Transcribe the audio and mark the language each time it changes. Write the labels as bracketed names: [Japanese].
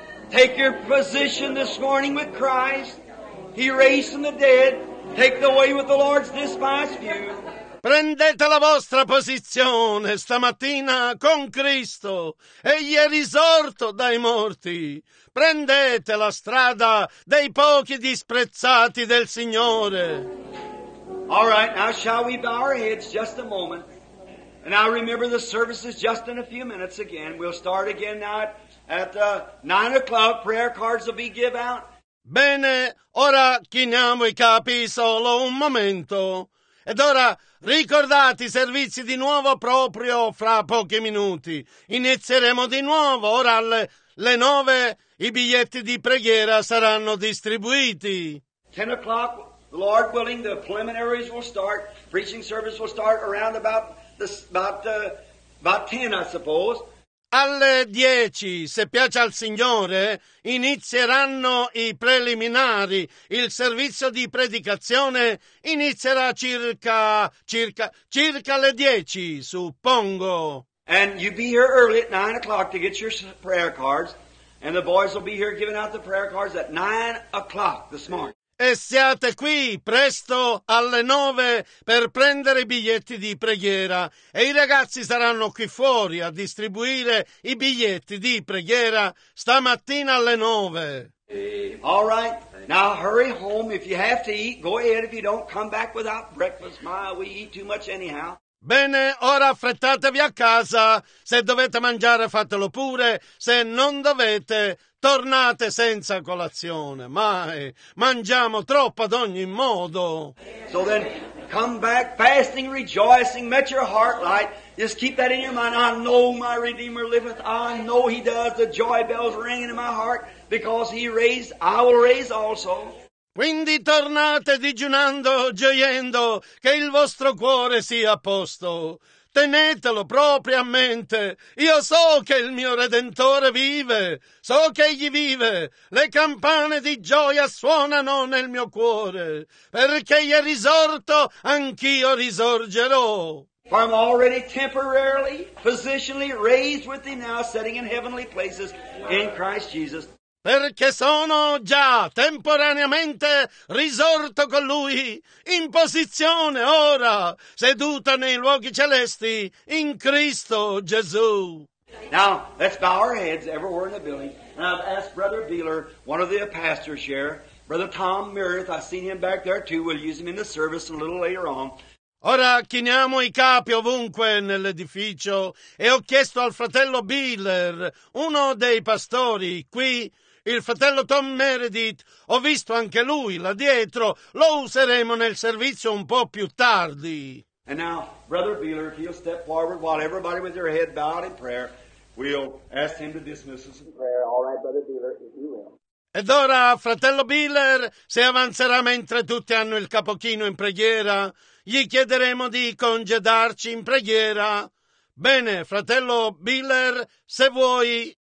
[English] Take your position this morning with Christ. He raised from the dead. Take the way with the Lord's despised view. [Italian] Prendete la vostra posizione stamattina con Cristo. Egli è risorto dai morti. Prendete la strada dei pochi disprezzati del Signore. [English] All right, now shall we bow our heads just a moment. And I remember the service is just in a few minutes again. We'll start again now at 9 o'clock, prayer cards will be given out. [Italian] Bene, ora chiniamo i capi solo un momento. Ed ora ricordate i servizi di nuovo proprio fra pochi minuti. Inizieremo di nuovo, ora alle 9 i biglietti di preghiera saranno distribuiti. [English] 10 o'clock, Lord willing, the preliminaries will start. Preaching service will start around about 10, I suppose. [Italian] Alle 10, se piace al Signore, inizieranno i preliminari. Il servizio di predicazione inizierà circa le 10, suppongo. [English] And you be here early at 9 o'clock to get your prayer cards, and the boys will be here giving out the prayer cards at 9 o'clock this morning. [Italian] E siate qui presto alle 9 per prendere i biglietti di preghiera. E i ragazzi saranno qui fuori a distribuire i biglietti di preghiera stamattina alle 9. [English] All right, now hurry home. If you have to eat, go ahead. If you don't, come back without breakfast. My, we eat too much anyhow. [Italian] Bene, ora affrettatevi a casa. Se dovete mangiare, fatelo pure. Se non dovete, tornate senza colazione. Mai. Mangiamo troppo ad ogni modo. [English] So then, come back fasting, rejoicing, met your heart light. Just keep that in your mind. I know my Redeemer liveth. I know He does. The joy bells ringing in my heart because He raised. I will raise also. [Italian] Quindi tornate digiunando, gioiendo, che il vostro cuore sia a posto. Tenetelo proprio a mente. Io so che il mio Redentore vive. So che Egli vive. Le campane di gioia suonano nel mio cuore. Perché Egli è risorto, anch'io risorgerò. [English] I'm already temporarily, positionally raised with Thee now, sitting in heavenly places in Christ Jesus. [Italian] Perché sono già temporaneamente risorto con Lui, in posizione ora, seduta nei luoghi celesti, in Cristo Gesù. [English] Now, let's bow our heads everywhere in the building. And I've asked Brother Beeler, one of the pastors here, Brother Tom Meredith, I've seen him back there too, we'll use him in the service a little later on. [Italian] Ora chiniamo i capi ovunque nell'edificio e ho chiesto al fratello Beeler, uno dei pastori qui, il fratello Tom Meredith. Ho visto anche lui là dietro. Lo useremo nel servizio un po' più tardi. [English] And now, Brother Beeler, if he'll step forward while everybody with their head bowed in prayer, we'll ask him to dismiss us in prayer. All right, Brother Beeler, if you will. [Italian] Ed ora, fratello Beeler, se avanzerà mentre tutti hanno il capochino in preghiera, gli chiederemo di congedarci in preghiera. Bene, fratello Beeler, se vuoi...